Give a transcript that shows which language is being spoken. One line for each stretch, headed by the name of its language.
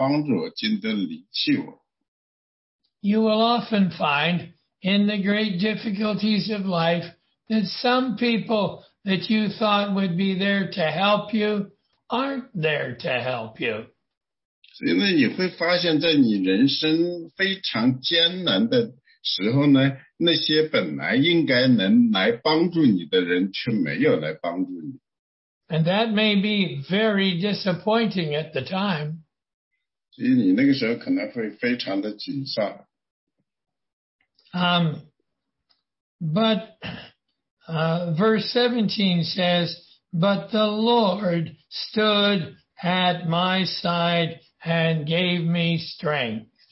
Chinese: 所以呢，就是那句说呢，我初次申诉，没人前来帮助，尽得离弃我。
English: You will often find in the great difficulties of life that some people that you thought would be there to help you aren't there to help you.
Chinese: 所以呢，你会发现在你人生非常艰难的 时候呢，那些本来应该能来帮助你的人却没有来帮助你。
English: And that may be very disappointing at the time.
Chinese: 所以你那个时候可能会非常的沮丧。
English: Verse 17 says, "But the Lord stood at my side and gave me strength."